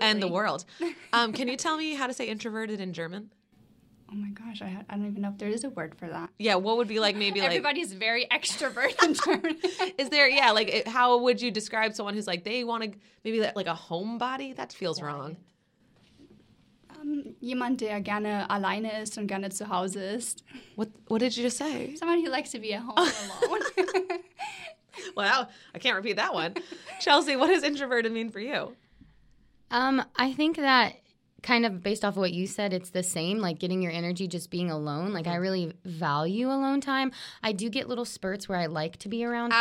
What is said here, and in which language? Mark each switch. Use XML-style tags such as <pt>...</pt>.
<en>And the world. Can you tell me how to say introverted in German? Oh my gosh, I don't even know if there is a word for that. Yeah, what would be like maybe everybody's like... Everybody's very extrovert in German. Is there, yeah, like how would you describe someone who's like, they want to maybe like a homebody? That feels wrong.</en> <de>Jemand, der gerne alleine ist und gerne zu Hause ist.</de> <en>What did you just say? Someone who likes to be at home alone. Well, I can't repeat that one. Chelsea, what does introverted mean for you? I think that... kind of based off of what you said, it's the same, like getting your energy just being alone. Like, I really value alone time. I do get little spurts where I like to be around</en>